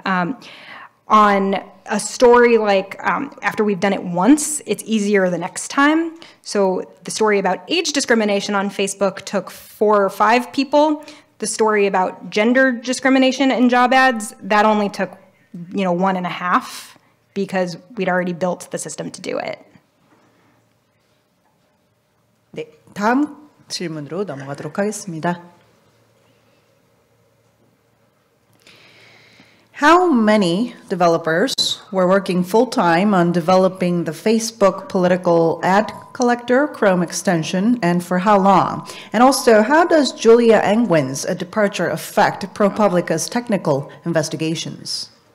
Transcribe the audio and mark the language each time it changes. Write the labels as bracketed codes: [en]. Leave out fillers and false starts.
[en] On a story like after we've done it once, it's easier the next time. So the story about age discrimination on Facebook took 4 or 5 people. The story about gender discrimination in job ads, that only took 1.5. Because we'd already built the system to do it. [ko] 네, 다음 질문으로 넘어가도록 하겠습니다. [en] How many developers were working full-time on developing the Facebook political ad collector Chrome extension, and for how long? And also, how does Julia Engwin's departure affect ProPublica's technical investigations?